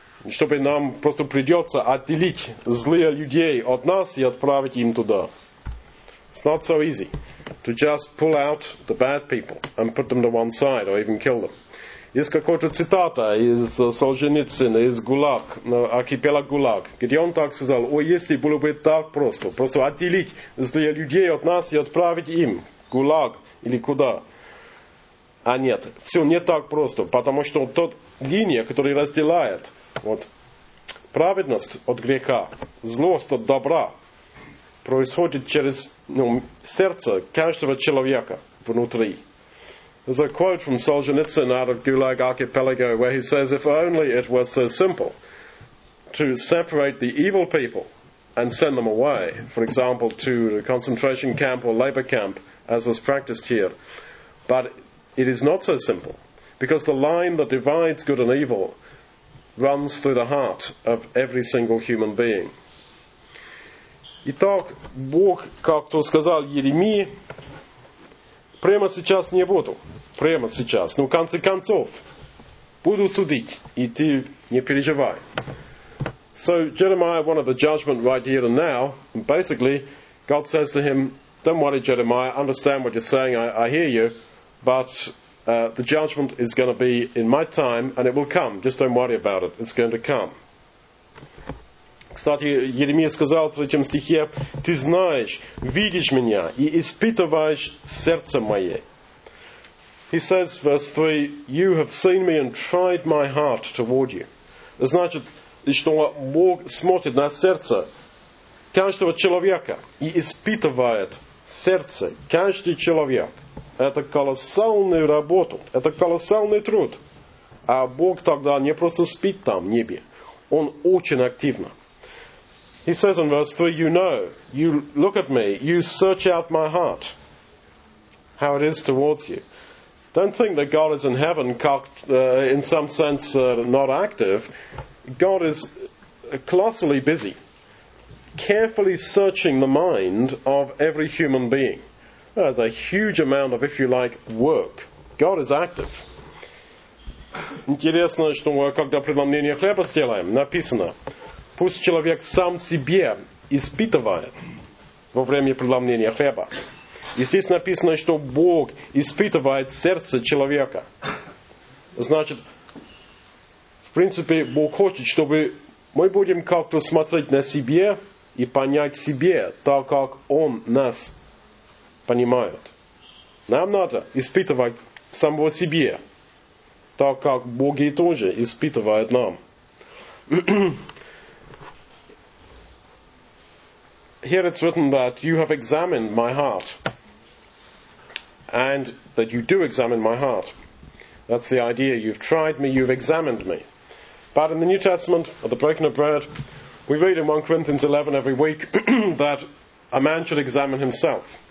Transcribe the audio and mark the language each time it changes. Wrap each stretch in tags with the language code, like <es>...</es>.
<ru>Чтобы нам просто придется отделить злые людей от нас и отправить им туда.</ru> <en>It's not so easy to just pull out the bad people and put them to one side or even kill them.</en> <ru>Есть какая-то цитата из Солженицына, из ГУЛАГ, архипелаг ГУЛАГ, где он так сказал: «О, если было бы так просто, просто отделить злые людей от нас и отправить им ГУЛАГ или куда». А нет, все не так просто, потому что тот линия, который разделяет вот, праведность от греха, злость от добра, происходит через сердце каждого человека внутри.</ru> <en>There's a quote from Solzhenitsyn out of Gulag Archipelago where he says, if only it were so simple to separate the evil people and send them away, for example, to a concentration camp or labor camp, as was practiced here. But it is not so simple, because the line that divides good and evil runs through the heart of every single human being.</en> <ru>Итак, Бог, как то сказал Еремии, прямо сейчас не буду. Прямо сейчас. Но в конце концов, буду судить, и ты не переживай.</ru> <en>So Jeremiah wanted the judgment right here and now. And basically, God says to him, don't worry, Jeremiah, understand what you're saying, I hear you. But the judgment is going to be in my time, and it will come. Just don't worry about it. It's going to come.</en> <ru>Кстати, Еремия сказал в третьем стихе, ты знаешь, видишь меня и испытываешь сердце мое.</ru> <en>He says, verse 3, you have seen me and tried my heart toward you.</en> <ru>Значит, что Бог смотрит на сердце каждого человека и испытывает сердце каждый человек. Это колоссальную работу, это колоссальный труд. А Бог тогда не просто спит там, в небе. Он очень активно.</ru> <en>He says in verse 3, you know, you look at me, you search out my heart, how it is towards you. Don't think that God is in heaven, in some sense, not active. God is colossally busy, carefully searching the mind of every human being. There's a huge amount of, if you like, work. God is active.</en> <ru>Интересно, что когда преломление хлеба сделаем, написано, пусть человек сам себе испытывает во время преломления хлеба. И здесь написано, что Бог испытывает сердце человека. Значит, в принципе, Бог хочет, чтобы мы будем как-то смотреть на себе и понять себе, так как Он нас понимают. Нам надо испытывать самого себе, так как Боги тоже испытывают нам.</ru> <en>Here it's written that you have examined my heart, and that you do examine my heart. That's the idea. You've tried me, you've examined me. But in the New Testament, or the breaking of bread, we read in 1 Corinthians 11 every week that a man should examine himself.</en>